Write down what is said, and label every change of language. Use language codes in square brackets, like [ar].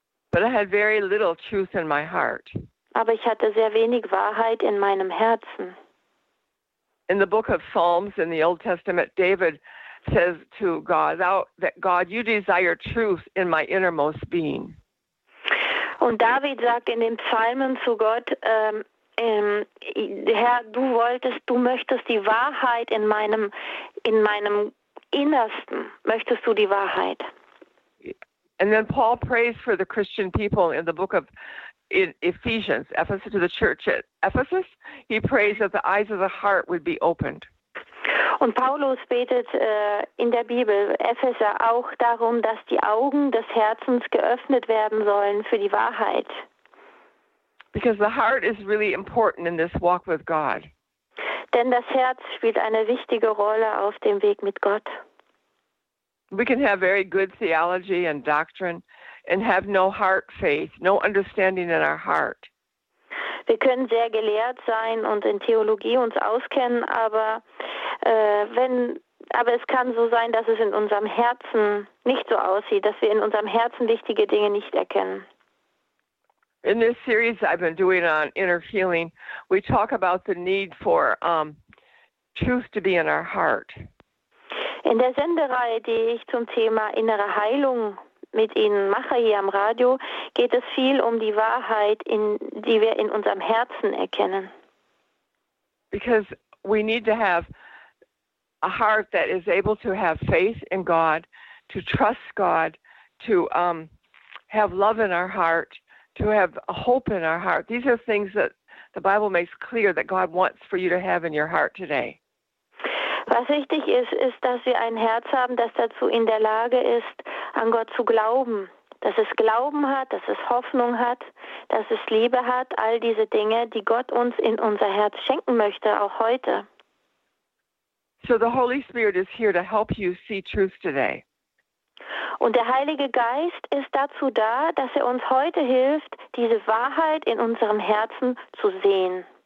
[en] But I had very little truth in my heart. [de] Aber ich hatte sehr wenig Wahrheit in meinem Herzen. [en] In the book of Psalms in the Old Testament, David says to God, that God, you desire truth in my innermost being. [de] Und David sagt in den Psalmen zu Gott, Herr, du möchtest die Wahrheit in meinem Innersten, möchtest du die Wahrheit. [en] And then Paul prays for the Christian people in the book of Ephesians, Ephesus, to the church at Ephesus. He prays that the eyes of the heart would be opened. [de] Und Paulus betet in der Bibel, Epheser, auch darum, dass die Augen des Herzens geöffnet werden sollen für die Wahrheit. [en] Because the heart is really important in this walk with God. [de] Denn das Herz spielt eine wichtige Rolle auf dem Weg mit Gott. [en] We can have very good theology and doctrine and have no heart faith, no understanding in our heart. [de] Wir können sehr gelehrt sein und in Theologie uns auskennen, aber es kann so sein, dass es in unserem Herzen nicht so aussieht, dass wir in unserem Herzen wichtige Dinge nicht erkennen. [en] In this series I've been doing on inner healing, we talk about the need for truth to be in our heart. [de] In der Sendereihe, die ich zum Thema innere Heilung mit Ihnen mache hier am Radio, geht es viel um die Wahrheit, die wir in unserem Herzen erkennen. [en] Because we need to have a heart that is able to have faith in God, to trust God, to have love in our heart, to have hope in our heart. These are things that the Bible makes clear that God wants for you to have in your heart today. [de] Was wichtig ist, ist, dass wir ein Herz haben, das dazu in der Lage ist, an Gott zu glauben. Dass es Glauben hat, dass es Hoffnung hat, dass es Liebe hat, all diese Dinge, die Gott uns in unser Herz schenken möchte, auch heute. [en] So the Holy Spirit is here to help you see truth today. [de] Und der Heilige Geist ist dazu da, dass er uns heute hilft, diese Wahrheit in unserem Herzen zu sehen.